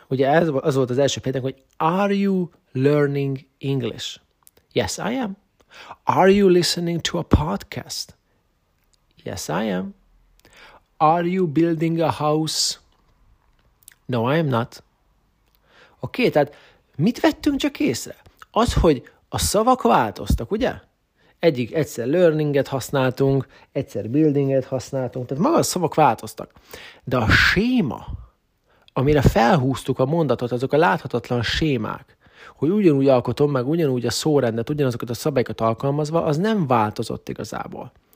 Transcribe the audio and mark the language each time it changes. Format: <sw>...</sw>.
<hu>Ugye az volt az első példánk, hogy</hu> <en>are you learning English? Yes, I am. Are you listening to a podcast? Yes, I am. Are you building a house? No, I am not.</en> <hu>Oké, okay, tehát mit vettünk csak észre? Az, hogy a szavak változtak, ugye? Egyik egyszer learninget használtunk, egyszer buildinget használtunk, tehát maga a szavak változtak. De a séma, amire felhúztuk a mondatot, azok a láthatatlan sémák, hogy ugyanúgy alkotom meg, ugyanúgy a szórendet, ugyanazokat a szabályokat alkalmazva, az nem változott igazából.</hu>